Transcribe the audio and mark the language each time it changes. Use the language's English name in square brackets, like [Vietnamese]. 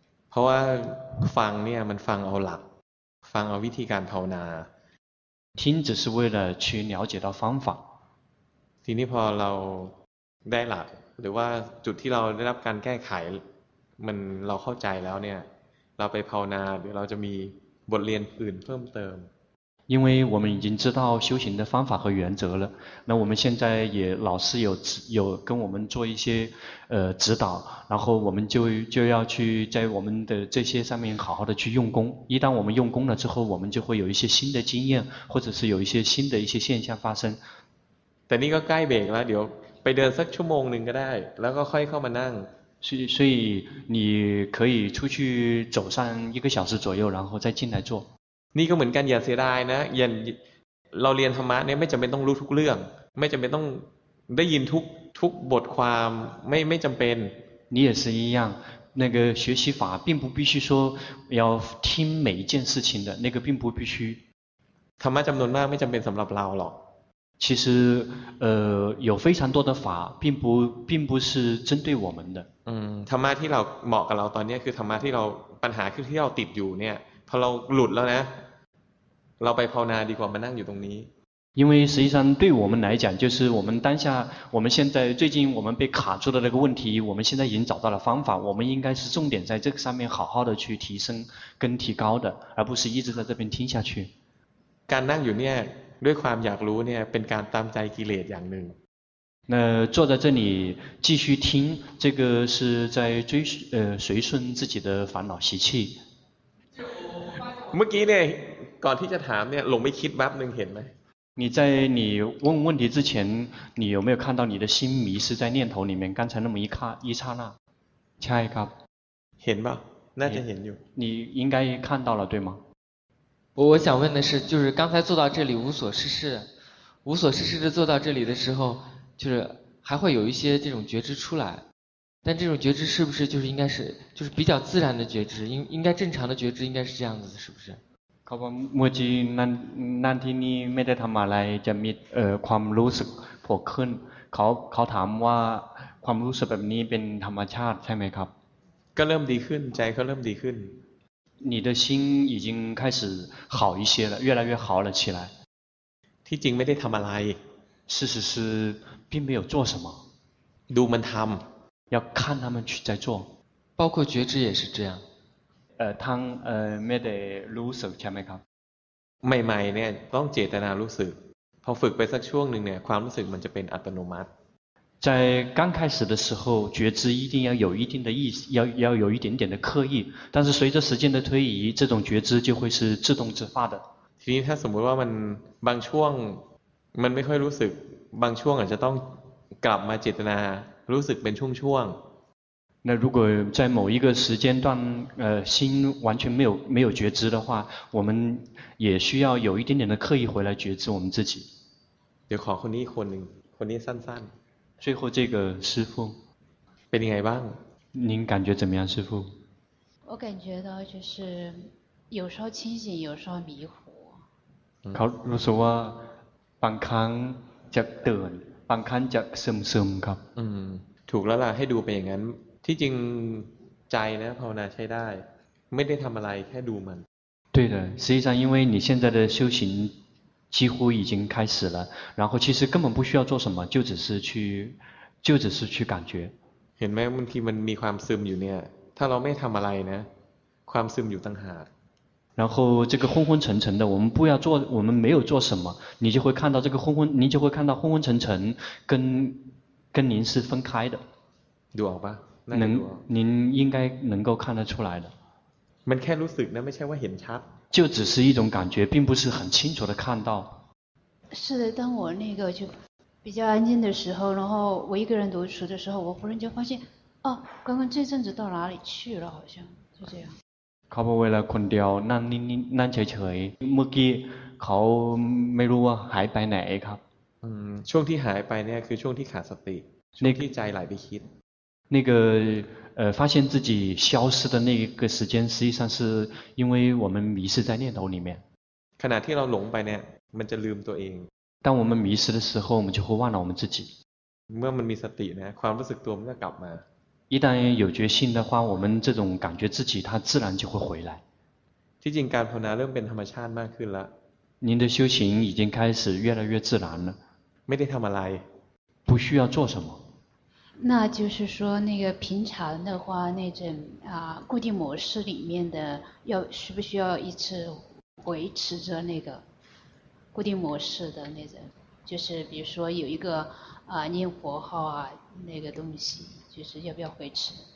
[Thai] เพราะว่าฟังเนี่ยมันฟังเอาหลักฟังเอาวิธีการภาวนา [Chinese] 听只是为了去了解到方法 [Thai] ทีนี้พอเราได้หลักหรือว่าจุดที่เราได้รับการแก้ไขมันเราเข้าใจแล้วเนี่ยเราไปภาวนาเดี๋ยวเราจะมีบทเรียนอื่นเพิ่มเติม [Chinese] 因为我们已经知道修行的方法和原则了那我们现在也老师有跟我们做一些指导然后我们就要去在我们的这些上面好好的去用功一旦我们用功了之后我们就会有一些新的经验或者是有一些新的一些现象发生 [Thai] แต่นี่ก็ใกล้เบรกแล้วเดี๋ยวไปเดินสักชั่วโมงหนึ่งก็ได้แล้วก็ค่อยเข้ามานั่ง [Chinese] 所以你可以出去走上一个小时左右然后再进来做 [Thai] นี่ก็เหมือนกันอย่าเสียดายนะอย่าเราเรียนธรรมะเนี่ยไม่จำเป็นต้องรู้ทุกเรื่องไม่จำเป็นต้องได้ยินทุกบทความไม่จำเป็น [Chinese] 你也是一样那个学习法并不必须说要听每一件事情的那个并不必须 [Thai] ธรรมะจำนวนมากไม่จำเป็นสำหรับเราหรอก [Chinese] 其实有非常多的法并不是针对我们的 [Thai] ธรรมะที่เราเหมาะกับเราตอนนี้คือธรรมะที่เราปัญหาคือที่เราติดอยู่เนี่ยพอเราหลุดแล้วนะเราไปภาวนาดีกว่ามานั่งอยู่ตรงนี้ [Chinese] 因为实际上对我们来讲，就是我们当下，我们现在最近我们被卡住的那个问题，我们现在已经找到了方法，我们应该是重点在这个上面好好的去提升跟提高的，而不是一直在这边听下去。 [Thai] การนั่งอยู่เนี่ยด้วยความอยากรู้เนี่ยเป็นการตามใจกิเลสอย่างหนึ่ง [Chinese] 那坐在这里继续听，这个是在追随顺自己的烦恼习气。 [Thai] เมื่อกี้เนี่ยก่อนที่จะถามเนี่ยลงไปคิดแป๊บนึงเห็นไหม [Chinese] 你在你问问题之前，你有没有看到你的心迷失在念头里面？刚才那么一刹那，下一个，见吧，那就见有。你应该看到了对吗？我想问的是，就是刚才坐到这里无所事事，无所事事的坐到这里的时候，就是还会有一些这种觉知出来，但这种觉知是不是就是应该是就是比较自然的觉知？应该正常的觉知应该是这样子的，是不是？ [Thai] เขาบอกเมื่อกี้นั่นที่นี่ไม่ได้ทำอะไรจะมีความรู้สึกโผล่ขึ้นเขาถามว่าความรู้สึกแบบนี้เป็นธรรมชาติใช่ไหมครับ ก็เริ่มดีขึ้นใจก็เริ่มดีขึ้น [Chinese] 你的心已经开始好一些了越来越好了起来 [Thai] ที่จริงไม่ได้ทำอะไร [Chinese] 事实是并没有做什么 [Thai] ดูมันทำ [Chinese] 要看他们去在做包括觉知也是这样 [Thai] ทั้งไม่ได้รู้สึกใช่ไหมครับ ใหม่ๆเนี่ยต้องเจตนารู้สึกพอฝึกไปสักช่วงหนึ่งเนี่ยความรู้สึกมันจะเป็นอัตโนมัติ [Chinese] 在刚开始的时候觉知一定要有一定的意识要有一点点的刻意但是随着时间的推移这种觉知就会是自动自发的 [Thai] ทีนี้ถ้าสมมติว่ามันบางช่วงมันไม่ค่อยรู้สึกบางช่วงอาจจะต้องกลับมาเจตนารู้สึกเป็นช่วงๆ [Chinese] 那如果在某一个时间段心完全没有觉知的话我们也需要有一点点的刻意回来觉知我们自己 [Thai] เดี๋ยวขอคนนี้คนหนึ่งคนนี้สั้นสั้น [Chinese] 最后这个师父 [Thai] เป็นยังไงบ้าง [Chinese] 您感觉怎么样师父我感觉到就是有时候清醒有时候迷糊 [Thai] เขารู้สึกว่าบางครั้งจะตื่นบางครั้งจะซึมซึมครับ ถูกแล้วล่ะให้ดูไปอย่างนั้นที่จริงใจนะภาวนาใช้ได้ไม่ได้ทำอะไรแค่ดูมัน [Chinese] 对的实际上因为你现在的修行几乎已经开始了然后其实根本不需要做什么就只是去感觉 [Thai] เห็นไหมบางทีมันมีความซึมอยู่เนี่ยถ้าเราไม่ทำอะไรนะความซึมอยู่ต่างหาก [Chinese] 然后这个昏昏沉沉的我们没有做什么你就会看到这个昏昏你就会看到昏昏沉沉跟您是分开的 [Thai] ดูออกปะ [Chinese] 您应该能够看得出来的 [Thai] มันแค่รู้สึกนะไม่ใช่ว่าเห็นชัด [Chinese] 就只是一种感觉并不是很清楚的看到是的当我那个就比较安静的时候然后我一个人独处的时候我忽然间发现哦刚刚这阵子到哪里去了好像就这样 [Thai] เขาบอกเวลาคนเดียวนั่งนิ่งๆนั่งเฉยๆเมื่อกี้เขาไม่รู้ว่าหายไปไหนครับ ช่วงที่หายไปเนี่ยคือช่วงที่ขาดสติช่วงที่ใจไหลไปคิด [Chinese] 那个发现自己消失的那个时间实际上是因为我们迷失在念头里面 [Thai] ขณะที่เราหลงไปเนี่ยมันจะลืมตัวเอง [Chinese] 当我们迷失的时候我们就会忘了我们自己 [Thai] เมื่อมันมีสตินะความรู้สึกตัวมันก็กลับมา [Chinese] 一旦有决心的话我们这种感觉自己它自然就会回来 [Thai] ที่จริงการภาวนาเริ่มเป็นธรรมชาติมากขึ้นละ [Chinese] 您的修行已经开始越来越自然了 [Thai] ไม่ได้ทำอะไร [Chinese] 不需要做什么那就是说那个平常的话那种啊固定模式里面的要需不需要一直维持着那个固定模式的那种就是比如说有一个啊念佛号啊那个东西就是要不要维持